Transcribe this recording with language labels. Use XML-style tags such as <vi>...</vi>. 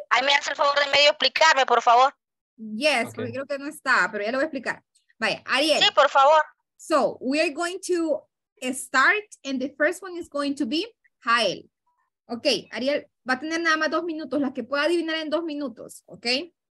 <es>Ay, me hace el favor de medio explicarme, por favor.</es> <en>Yes, okay.</en> <es>Porque creo que no está, pero ya lo voy a explicar. Vaya, Ariel. Sí, por favor.</es> <en>So, we are going to start, and the first one is going to be Jael.</en> <es>Okay, Ariel, va a tener nada más 2 minutos, las que pueda adivinar en 2 minutos, okay?</es>